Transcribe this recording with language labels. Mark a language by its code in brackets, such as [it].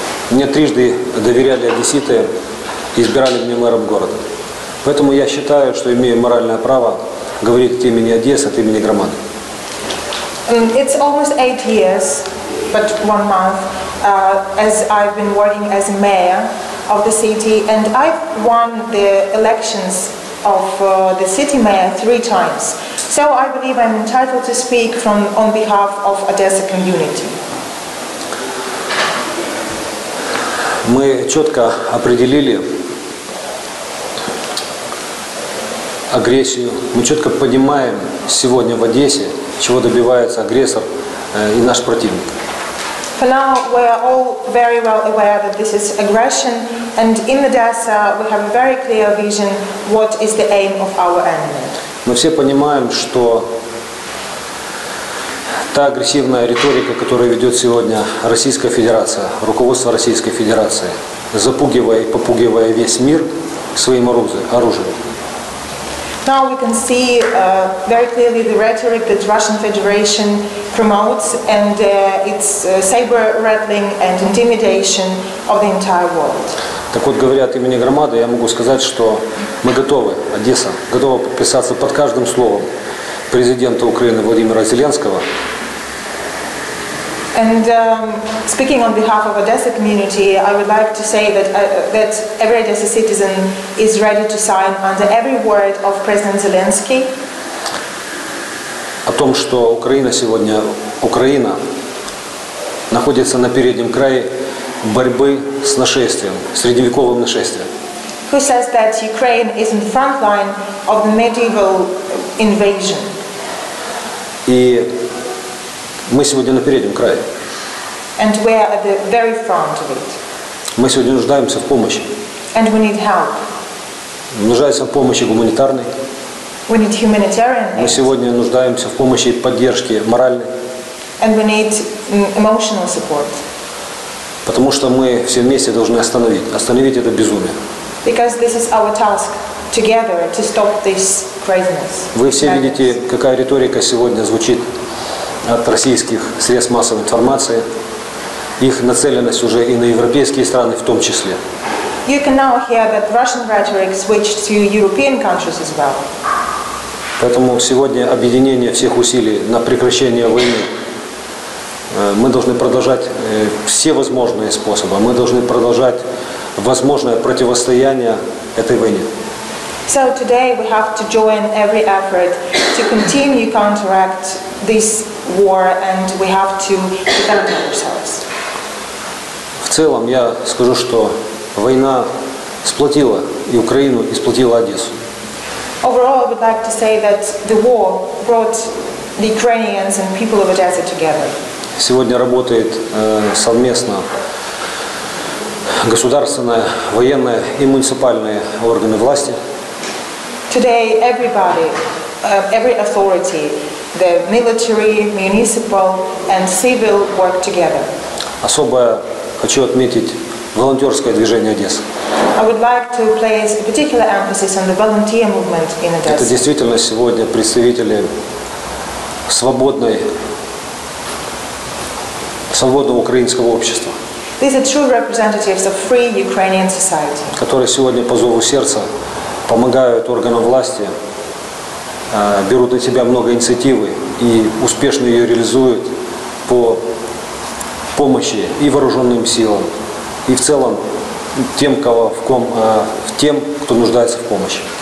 [ru] Мне трижды доверяли одесситы и избирали меня мэром города. Поэтому я считаю, что имею моральное право говорить от имени Одессы, от имени громады. [en] It's almost 8 years, but one month, as I've been working as a mayor of the city, and I've won the elections of the city mayor 3 times. So I believe I'm entitled to speak on behalf of Odessa community. [ru] Мы четко определили агрессию. Мы четко понимаем сегодня в Одессе, чего добивается агрессор и наш противник. [en] For now, we are all very well aware that this is aggression, and in Odessa, we have a very clear vision what is the aim of our enemy. [ru] Мы все понимаем, что та агрессивная риторика, которую ведет сегодня Российская Федерация, руководство Российской Федерации, запугивая и попугивая весь мир своим оружием. [en] Now we can see very clearly the rhetoric that Russian Federation promotes and its saber rattling and intimidation of the entire world. [ru] Так вот, говоря от имени громады, я могу сказать, что мы готовы, Одесса готова подписаться под каждым словом президента Украины Владимира Зеленского. [en] And speaking on behalf of Odessa community, I would like to say that that every Odessa citizen is ready to sign under every word of President Zelensky. [ru] О том, что Украина сегодня, Украина находится на переднем крае борьбы с нашествием, средневековым нашествием. [en] who says that Ukraine is in the front line of the medieval invasion. [ru] И мы сегодня на переднем крае. [en] And we are at the very front of it. [ru] Мы сегодня нуждаемся в помощи. [en] And we need help. [ru] Нуждаемся в помощи гуманитарной. [en] We need humanitarian aid. [ru] Мы сегодня нуждаемся в помощи и поддержке моральной. [en] And we need emotional support. [ru] Потому что мы все вместе должны остановить это безумие. [en] Because this is our task together to stop this craziness. [ru] Вы все видите, какая риторика сегодня звучит от российских средств массовой информации. Их нацеленность уже и на европейские страны в том числе. [en] You can now hear that Russian rhetoric switched to European countries as well. [ru] Поэтому сегодня объединение всех усилий на прекращение войны. Мы должны продолжать все возможные способы. Мы должны продолжать возможное противостояние этой войне. [en] So today we have to join every effort to continue counteract this war, and we have to defend ourselves. [ru] В целом я скажу, что война сплотила и Украину, и сплотила Одессу. [en] Overall, I would like to say that the war brought the Ukrainians and people of Odessa together. [ru] Сегодня работает совместно государственные, военные и муниципальные органы власти. [en] Today, everybody, every authority, the military, municipal and civil work together. [ru] Особо хочу отметить волонтерское движение Одессы. [en] I would like to place a particular emphasis on the volunteer movement in Odessa. [ru] Это действительно сегодня представители свободного украинского общества. [en] These are true representatives of free Ukrainian society. [ru] Которые сегодня по зову сердца помогают органам власти, берут на себя много инициативы и успешно ее реализуют по помощи и вооруженным силам, и в целом тем, кто нуждается в помощи.